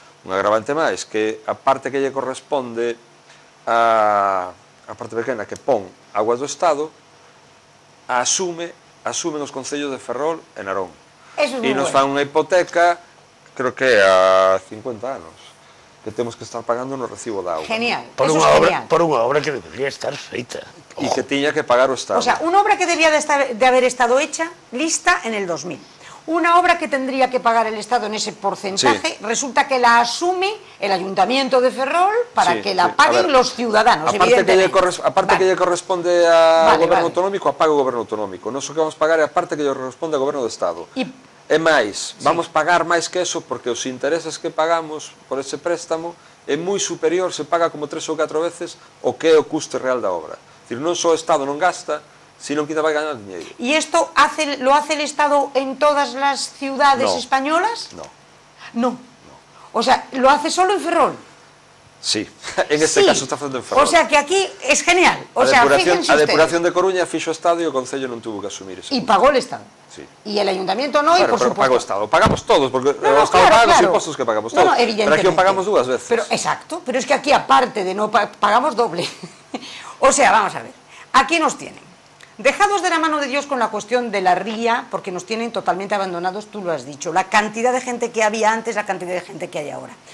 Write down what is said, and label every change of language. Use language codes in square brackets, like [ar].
[gl] Un agravante máis, que a parte que lle corresponde a parte pequena que pon Aguas do Estado asumen os concellos de Ferrol e Narón. E nos fan unha hipoteca creo que a 50 anos que temos que estar pagando no recibo da agua. Genial. Por unha obra que debería estar feita. E que tiña que pagar o Estado. [es] O sea, [gl] unha obra [es] que debía de haber estado hecha, lista, en el 2000. [gl] Unha obra [es] que tendría que pagar el Estado en ese porcentaje, resulta que la asume el Ayuntamiento de Ferrol para que la paguen los ciudadanos, evidentemente. [gl] Aparte que lle corresponde ao Goberno Autonómico, apague o Goberno Autonómico. Non só que vamos pagar, é aparte que lle corresponde ao Goberno do Estado. É máis, vamos pagar máis que eso porque os intereses que pagamos por ese préstamo é moi superior, se paga como 3 ou 4 veces o que é o custo real da obra. Non só o Estado non gasta, sino que vai ganar dinheiro. E isto [es] lo hace [gl] o Estado en todas as cidades españolas? Non. [es] Non? O sea, lo hace solo en Ferrol? [gl] Sí, en este sí. caso está facendo en Ferrol. [es] O sea que aquí es genial. O sea, [gl] a depuración de Coruña fixo o Estado e o Concello non tuvo que asumir eso. [es] Y pagó el Estado. Sí. Y el Ayuntamiento no, claro, y por pero supuesto. Pagó Estado. Pagamos todos, porque no, no, el Estado claro, paga los claro. impuestos que pagamos todos. No, no, evidentemente. Pero aquí lo pagamos dos veces. Pero, exacto, pero es que aquí aparte de no pagamos doble. O sea, vamos a ver, aquí nos tienen. Dejados de la mano de Dios con la cuestión de la ría, porque nos tienen totalmente abandonados, tú lo has dicho, la cantidad de gente que había antes, la cantidad de gente que hay ahora.